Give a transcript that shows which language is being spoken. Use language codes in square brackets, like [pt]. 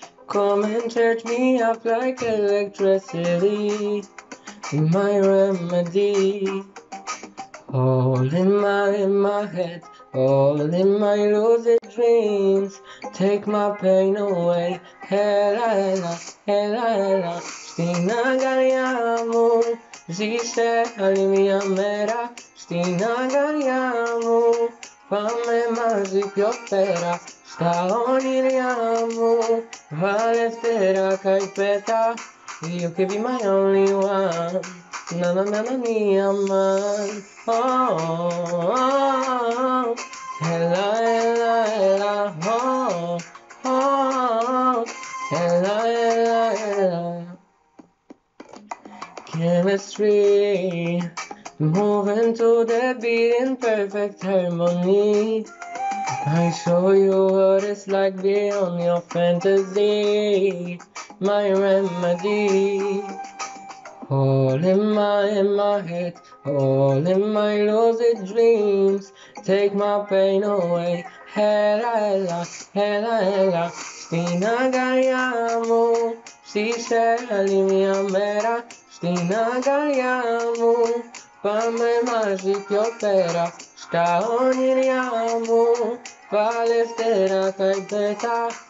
[en] Come and charge me up like electricity. You're my remedy. All in my head, all in my lucid dreams. Take my pain away. [el] Ela, ela, ela, ela. Στην αγκαλιά μου ζήσε άλλη μια μέρα. Στην αγκαλιά μου πάμε μαζί πιο πέρα. Στα όνειρά μου βάλε φτερά καϊπέτα. [en] You can be my only one. Na na na na ni aman. [el] Oh, oh, ela, ela, ela. Oh, oh, ela, ela, ela. [en] Chemistry moving to the beat in perfect harmony. I show you what it's like beyond your fantasy. My remedy. All in my head, all in my lucid dreams. Take my pain away. [el] Ela, ela, ela, ela. Στην αγκαλιά μου ζήσε άλλη μια μέρα. Στην αγκαλιά μου πάμε μαζί πιο πέρα. Στα όνειρά μου βάλε φτερά καϊπέτα.